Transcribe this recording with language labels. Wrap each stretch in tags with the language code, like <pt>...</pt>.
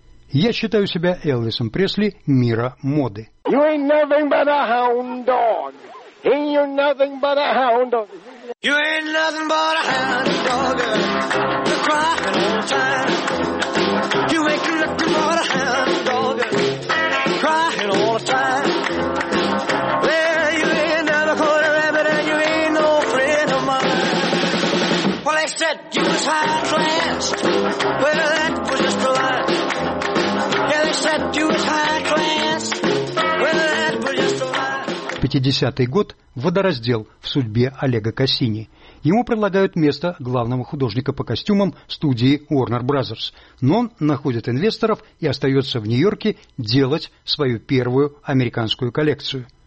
<ru>Я считаю себя Элвисом Пресли мира моды.</ru> <en>You ain't nothing but a hound dog, a crying all the time. You ain't nothing but a hound dog, crying all the time. Well, you ain't never caught a rabbit, and you ain't no friend of mine. Well, they said you was high class. Well, that was just a lie. Yeah, they said you was high class. Well, that was just a lie.</en> <ru>50-й год. Водораздел в судьбе Олега Кассини. Ему предлагают место главного художника по костюмам студии Warner Brothers, но он находит инвесторов и остается в Нью-Йорке делать свою первую американскую коллекцию.</ru>